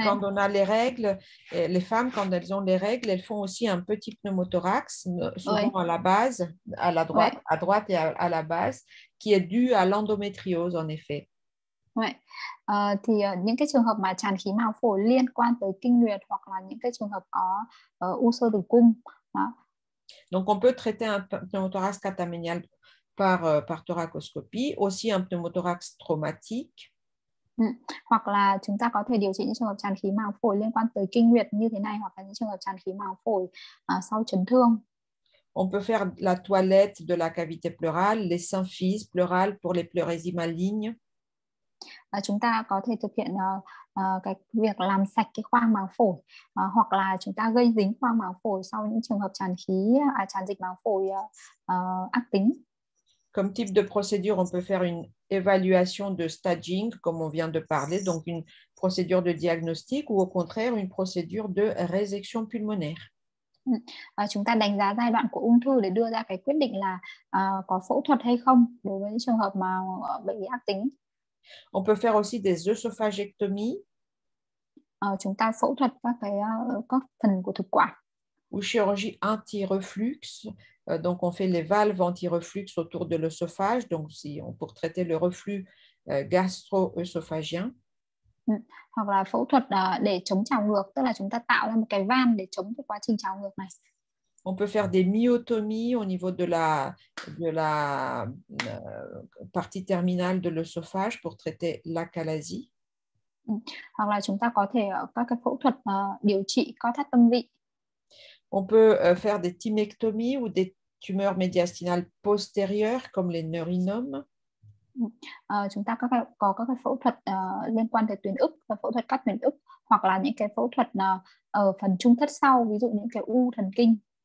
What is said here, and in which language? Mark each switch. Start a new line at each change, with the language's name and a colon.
French: Quand on a les règles, les femmes, quand elles ont les règles, elles font aussi un petit pneumothorax, souvent ouais. À la base, à la droite, ouais. À droite et à la base, qui est dû à l'endométriose, en effet. Oui.
Vietnamese: Thì những cái trường hợp mà tràn khí màng phổi liên quan tới kinh nguyệt, hoặc là những cái trường hợp có u sơ tử cung. Đó.
French: Donc, on peut traiter un pneumothorax catamenial par thoracoscopie, aussi un pneumothorax traumatique.
Vietnamese: Hoặc là chúng ta có thể điều trị những trường hợp tràn khí màng phổi liên quan tới kinh nguyệt như thế này, hoặc là những trường hợp tràn khí màng phổi sau chấn thương.
French: On peut faire la toilette de la cavité pleurale, les symphyses pleurales pour les pleurésies malignes.
Vietnamese: Chúng ta có thể thực hiện cái việc làm sạch cái khoang màng phổi, hoặc là chúng ta gây dính khoang màng phổi sau những trường hợp tràn khí tràn dịch màng phổi ác tính.
French: Comme type de procédure, on peut faire une évaluation de staging, comme on vient de parler, donc une procédure de diagnostic ou au contraire une procédure de résection pulmonaire.
Vietnamese: Chúng ta đánh giá giai đoạn của ung thư để đưa ra cái quyết định là có phẫu thuật hay không đối với những trường hợp mà bệnh ác tính.
French: On peut faire aussi des œsophagectomies.
Vietnamese: Chúng ta phẫu thuật các phần của thực quản.
French: Ou chirurgie anti-reflux, donc on fait les valves anti-reflux autour de l'œsophage, donc si on pour traiter le reflux gastro-œsophagien.
Vietnamese: Hoặc là phẫu thuật để chống trào ngược, tức là chúng ta tạo ra một cái van để chống cái quá trình trào ngược này.
French: On peut faire des myotomies au niveau de la partie terminale de l'œsophage pour traiter l'achalasie.
Vietnamese: Hoặc là chúng ta có thể các cái phẫu thuật điều trị co thắt âm vị.
French: On peut faire des thymectomies ou des tumeurs médiastinales postérieures comme les neurinomes.
Vietnamese: Chúng ta có các phẫu thuật liên quan tới tuyến ức và phẫu thuật cắt tuyến ức, hoặc là những cái phẫu thuật ở phần trung thất sau, ví dụ những cái u thần kinh.